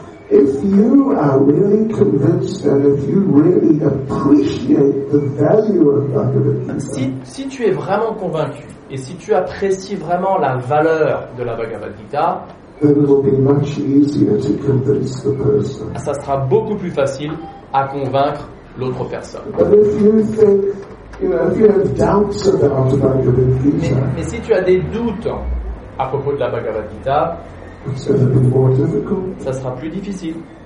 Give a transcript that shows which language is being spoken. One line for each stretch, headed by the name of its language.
English: If you are really convinced and if you really appreciate the value of Bhagavad Gita,
French: si tu es vraiment convaincu et si tu apprécies vraiment la valeur de la Bhagavad Gita,
English: then it will be much easier to convince the person.
French: Ça sera beaucoup plus facile à convaincre l'autre personne.
English: But if you think, mais
French: si tu as des doutes à propos de la Bhagavad Gita, ça sera plus difficile.